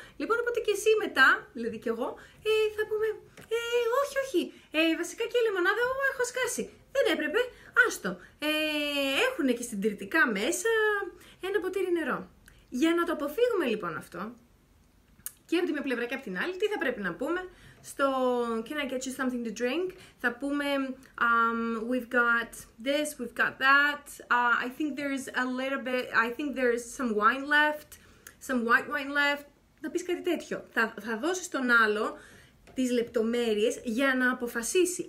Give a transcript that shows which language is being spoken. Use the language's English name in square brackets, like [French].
[Greek] Λοιπόν, οπότε και εσύ μετά, δηλαδή κι εγώ, θα πούμε, όχι, όχι. Βασικά και η λεμονάδα, έχω σκάσει. Δεν έπρεπε, άστο. Έχουν και συντηρητικά μέσα ένα ποτήρι νερό. Για να το αποφύγουμε λοιπόν αυτό, και από τη μία πλευρά και από την άλλη, τι θα πρέπει να πούμε. Στο [English] Can I get you something to drink? [Greek] Θα πούμε [English] We've got this, we've got that. I think there's a little bit. I think there's some wine left. Some white wine left. [Greek] Θα πεις κάτι τέτοιο. Θα δώσεις τον άλλο τις λεπτομέρειες για να αποφασίσει.